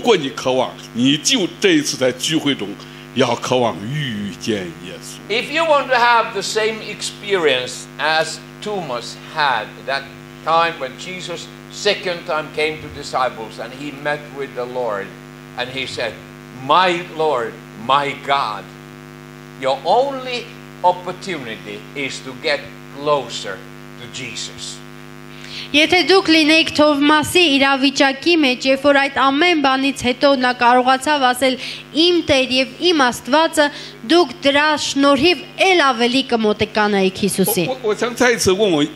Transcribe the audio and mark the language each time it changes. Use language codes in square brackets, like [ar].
[zh] 你渴望能够自己能够发出一个自情不自禁地发出一个声音说：“我的主，我的神嘛，你渴望吧？如果你渴望，你就这一次在聚会中。” [en] If you want to have the same experience as Thomas had that time when Jesus second time came to disciples and he met with the Lord and he said, my Lord, my God, your only opportunity is to get closer to Jesus. [hy] Եթե դուք լինեիք Թովմասի իրավիճակի մեջ, երբ որ այդ ամեն բանից հետո նա կարողացավ ասել իմ Տեր եւ իմ Աստվածը, դուք դրա շնորհիվ էլ ավելի կմոտեկանայիք Հիսուսին։